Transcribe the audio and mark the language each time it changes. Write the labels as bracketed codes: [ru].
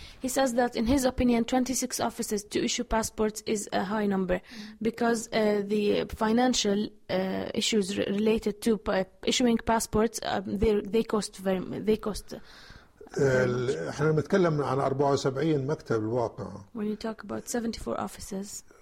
[en] He says that in his opinion 26 offices to issue passports is a high number because the financial issues related to issuing passports they cost [ar] احنا بنتكلم عن 74 مكتب الواقع. [en] When you talk about 74 offices.